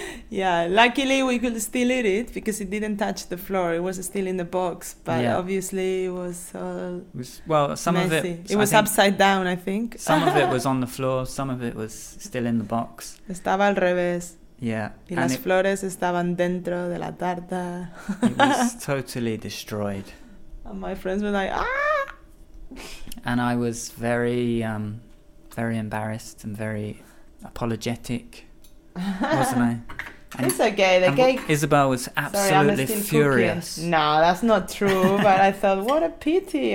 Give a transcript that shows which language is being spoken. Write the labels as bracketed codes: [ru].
[en] Yeah, luckily we could still eat it because it didn't touch the floor. It was still in the box, but obviously it was all messy. Of it. It was upside down, I think. Some of it was on the floor, some of it was still in the box. [es] Estaba al revés. [en] Yeah. [es] Y las flores estaban dentro de la tarta. [en] It was totally destroyed. And my friends were like, And I was very, very embarrassed and very apologetic. Wasn't I? And it's okay, the cake. Isabel was absolutely furious. No, that's not true, but I thought, what a pity.